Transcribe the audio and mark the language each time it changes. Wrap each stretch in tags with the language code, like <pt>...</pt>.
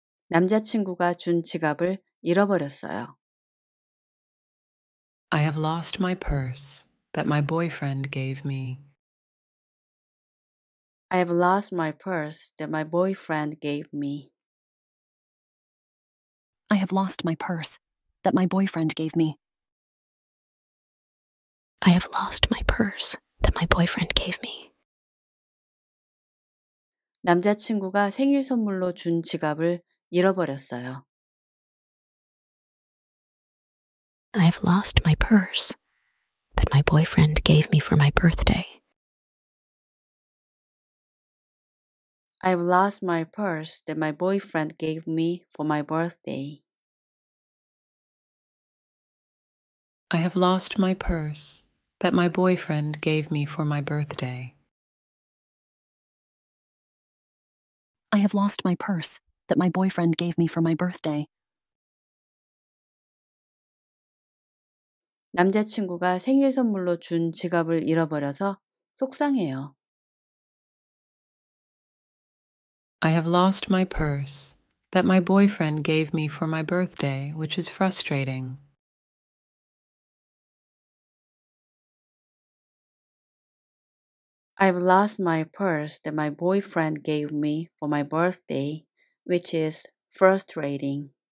<ko>남자친구가 준 지갑을 잃어버렸어요.</ko> <en>I have lost my purse that my boyfriend gave me. I have lost my purse that my boyfriend gave me. I have lost my purse that my boyfriend gave me. I have lost my purse that my boyfriend gave me.</en> <ko>남자친구가 생일 선물로 준 지갑을 잃어버렸어요.</ko> <en>I have lost my purse that my boyfriend gave me for my birthday. I have lost my purse that my boyfriend gave me for my birthday. I have lost my purse that my boyfriend gave me for my birthday. I have lost my purse that my boyfriend gave me for my birthday.</en> <ko>남자친구가 생일 선물로 준 지갑을 잃어버려서 속상해요.</ko> <en>I have lost my purse that my boyfriend gave me for my birthday, which is frustrating. I've lost my purse that my boyfriend gave me for my birthday, which is frustrating.</en>